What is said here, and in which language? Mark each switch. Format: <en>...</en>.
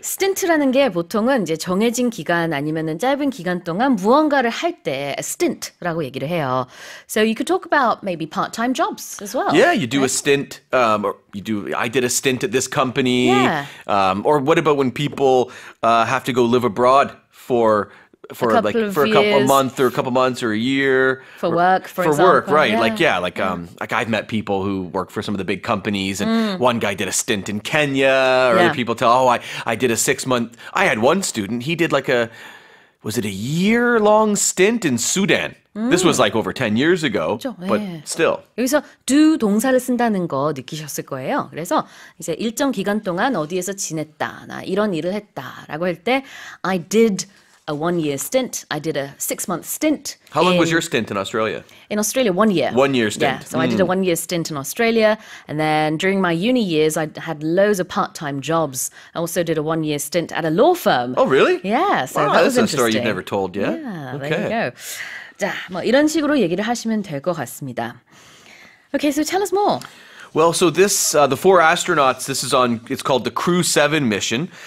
<ko>스틴트라는 게 보통은 이제 정해진 기간 아니면은 짧은 기간 동안 무언가를 할 때 stint라고 얘기를 해요.</ko> <en>So you could talk about maybe part-time jobs as well. Yeah, you do a stint. I did a stint at this company. Yeah. Or what about when people have to go live abroad for... For a couple months or a year. For work, right. Yeah. Like I've met people who work for some of the big companies, and one guy did a stint in Kenya, or other people tell, I did a 6-month, I had one student, he did a year-long stint in Sudan? This was like over 10 years ago,</en> <ko>그렇죠.</ko> <en>but</en> <ko>네.</ko> <en>still.</en> <ko>여기서 do 동사를 쓴다는 거 느끼셨을 거예요. 그래서 이제 일정 기간 동안 어디에서 지냈다, 나 이런 일을 했다라고 할 때</ko> <en>I did a 1-year stint. I did a 6-month stint. How long was your stint in Australia? In Australia, 1 year. 1 year stint. Yeah, so I did a 1-year stint in Australia. And then during my uni years, I had loads of part-time jobs. I also did a 1-year stint at a law firm. Oh, really? Yeah, so wow, that was interesting. A story you've never told, yeah? Yeah, okay. There you go.</en> <ko>자, 뭐 이런 식으로 얘기를 하시면 될 것 같습니다.</ko> <en>Okay, so tell us more. Well, so this, the four astronauts, this is on, it's called the Crew 7 mission.</en>